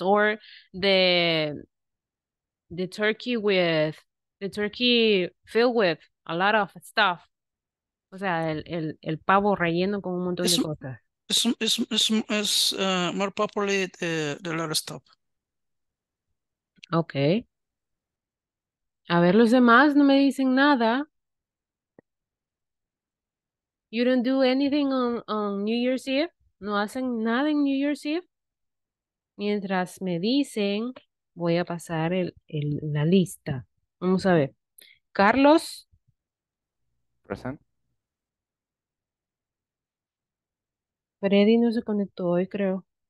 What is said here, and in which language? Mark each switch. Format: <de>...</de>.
<en>Or the turkey with the turkey filled with a lot of stuff.</en> <es>O sea, el pavo relleno con un montón de cosas.</es> <en>Es more popular the last stop. Okay.</en> <es>A ver, los demás no me dicen nada.</es> <en>You don't do anything on New Year's Eve.</en> <es>No hacen nada en New Year's Eve. Mientras me dicen, voy a pasar la lista. Vamos a ver. Carlos.</es> <en>Present.</en> <es>Freddy no se conectó hoy, creo.</es>